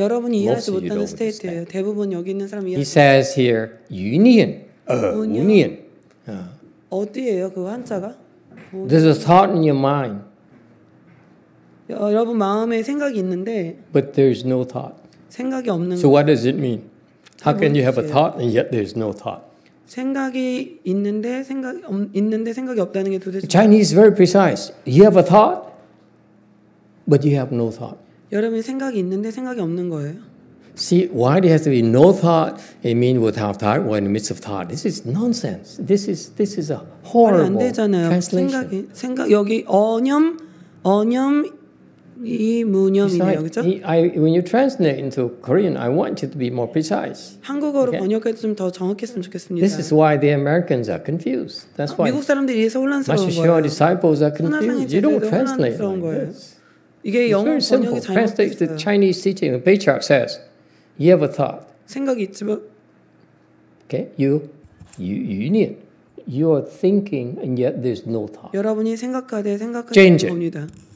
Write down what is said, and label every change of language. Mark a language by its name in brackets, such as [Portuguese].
[Korean] 여러분이 이해하지 못하는 스테이트예요. 대부분 여기 있는 사람이 이해하지 못해요. [English] He says here, union. Union. [Korean] 어디예요 그 한자가? [English] There's a thought in your mind. [Korean] 여러분 마음에 생각이 있는데. [English] But there's no thought. [Korean] 생각이 없는. [English] So what does it mean? How can you have a thought and yet there's no thought? [Korean] 생각이 있는데 생각 있는데 생각이 없다는 게 도대체. [English] Chinese is very precise. You have a thought, but you have no thought. [Korean] 여러분 생각이 있는데 생각이 없는 거예요. [English] See, why there has to be no thought? It means without thought, or in the midst of thought. This is nonsense. This is a horrible translation. [Korean] 생각이, 생각, 여기 어념, 어념, 이 무념이네요, 그죠? [English] When you translate into Korean, I want you to be more precise. [Korean] 한국어로 okay. 번역해도 좀 더 정확했으면 좋겠습니다. [English] This is why the Americans are confused. That's why. [Korean] 미국 사람들이 이해서 혼란스러운 거예요. [English] Master Shaw disciples are confused. You don't translate like this. [Korean] 이게 영어 번역이 잘못됐어요. [English] Translate the Chinese teaching. The patriarch says, "You have a thought." [Korean] 생각이 있지만. [English] Okay, you need. You are thinking, and yet there's no thought. [Korean] 여러분이 생각하되 생각하는 겁니다.